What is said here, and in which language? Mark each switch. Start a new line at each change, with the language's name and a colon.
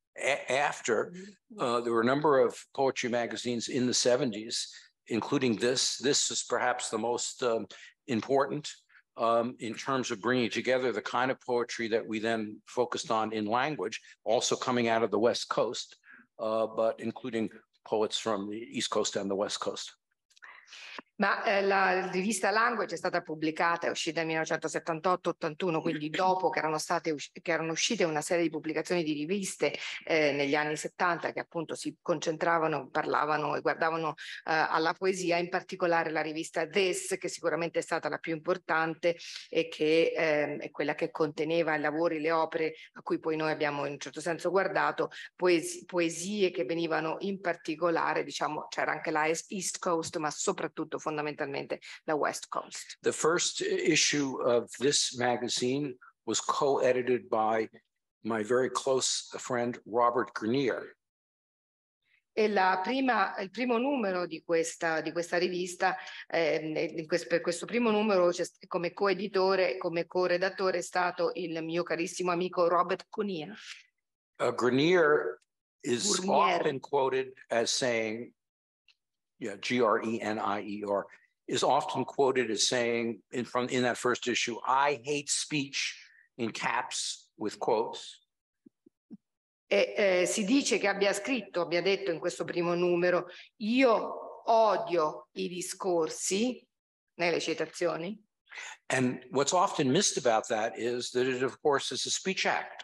English: After, there were a number of poetry magazines in the 70s, including this. This is perhaps the most important in terms of bringing together the kind of poetry that we then focused on in Language, also coming out of the West Coast, but including poets from the East Coast and the West Coast.
Italian: Ma la rivista Language è stata pubblicata, è uscita nel 1978-81, quindi dopo che erano uscite una serie di pubblicazioni di riviste negli anni 70 che appunto si concentravano, parlavano e guardavano alla poesia, in particolare la rivista This, che sicuramente è stata la più importante e che è quella che conteneva i lavori, le opere a cui poi noi abbiamo in un certo senso guardato, poesie che venivano in particolare, diciamo, c'era anche la East Coast, ma soprattutto fondamentalmente la West Coast.
English: The first issue of this magazine was co-edited by my very close friend Robert Grenier.
Italian: E il primo numero di questa rivista, questo primo numero, cioè, come coeditore, come co-redattore, è stato il mio carissimo amico Robert Grenier.
English: Grenier is Gournier. Often quoted as saying, yeah, Grenier is often quoted as saying in that first issue, "I hate speech," in caps with quotes.
Italian: Si dice che abbia detto in questo primo numero, "Io odio i discorsi," nelle citazioni.
English: And what's often missed about that is that it, of course, is a speech act.